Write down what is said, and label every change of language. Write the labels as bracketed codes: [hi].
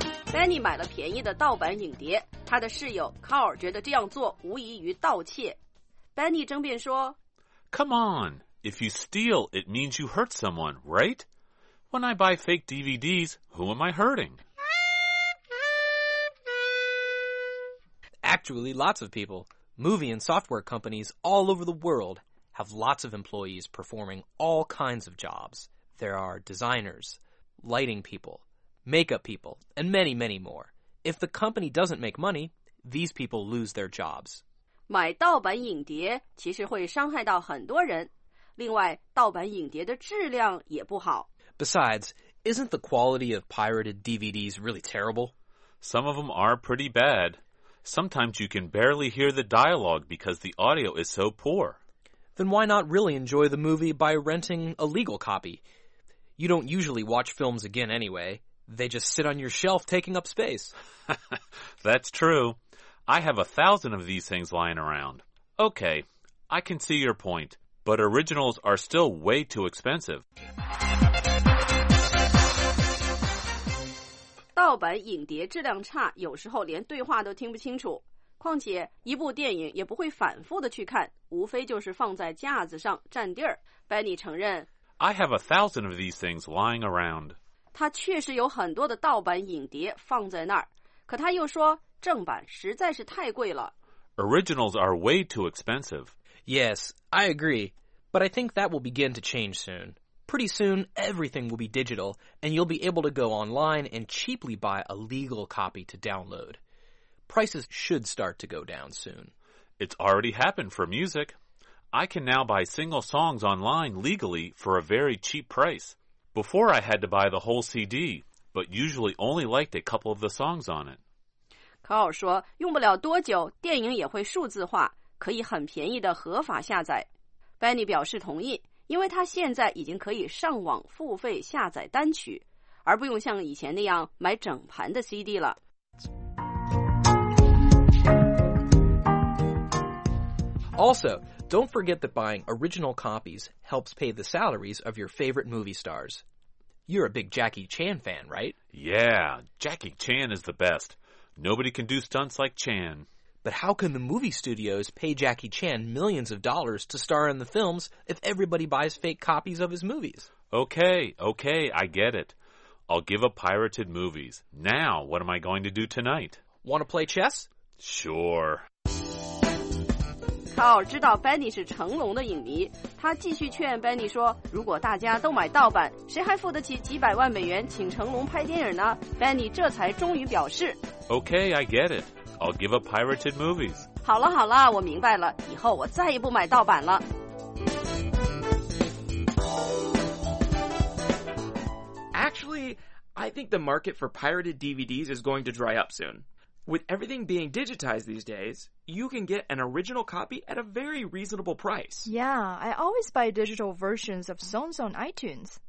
[zh] Benny 买了便宜的盗版影碟，他的室友 Carl 觉得这样做无疑于盗窃。 Benny 争辩说 [en] Come on, if you steal, it means you hurt someone, right? When I buy fake DVDs, who am I hurting? Actually, lots of people. Movie and software companies all over the world have lots of employees performing all kinds of jobs. There are designers, lighting people, makeup people, and many, many more. If the company doesn't make money, these people lose their jobs. [zh] 买盗版影碟其实会伤害到很多人。另外，盗版影碟的质量也不好。 [en] Besides, isn't the quality of pirated DVDs really terrible? Some of them are pretty bad. Sometimes you can barely hear the dialogue because the audio is so poor. Then why not really enjoy the movie by renting a legal copy? You don't usually watch films again anyway. They just sit on your shelf taking up space. That's true. I have 1,000 of these things lying around. Okay, I can see your point, but originals are still way too expensive. [zh] 盗版影碟质量差，有时候连对话都听不清楚。况且一部电影也不会反复的去看，无非就是放在架子上占地儿。 Benny 承认 [en] I have 1,000 of these things lying around. [zh] 他确实有很多的盗版影碟放在那儿，可他又说正版实在是太贵了。 [en] Originals are way too expensive. Yes, I agree. But I think that will begin to change soon. Pretty soon, everything will be digital, and you'll be able to go online and cheaply buy a legal copy to download. Prices should start to go down soon. It's already happened for music. I can now buy single songs online legally for a very cheap price. Before, I had to buy the whole CD, but usually only liked a couple of the songs on it. Carl 说，用不了多久，电影也会数字化，可以很便宜的合法下载。Benny 表示同意。因为他现在已经可以上网付费下载单曲，而不用像以前那样买整盘的 CD 了。 Also, don't forget that buying original copies helps pay the salaries of your favorite movie stars. You're a big Jackie Chan fan, right? Yeah, Jackie Chan is the best. Nobody can do stunts like Chan. But how can the movie studios pay Jackie Chan millions of dollars to star in the films if everybody buys fake copies of his movies? Okay, I get it. I'll give up pirated movies. Now, what am I going to do tonight? Want to play chess? Sure. [zh] Carl 知道 Benny 是成龙的影迷，他继续劝 Benny 说，如果大家都买盗版，谁还付得起几百万美元请成龙拍电影呢？ Benny 这才终于表示， [en] Okay, I get it. I'll give up pirated movies. [zh] 好了，我明白了，以后我再也不买盗版了。 [en] Actually, I think the market for pirated DVDs is going to dry up soon. With everything being digitized these days, you can get an original copy at a very reasonable price. Yeah, I always buy digital versions of songs on iTunes.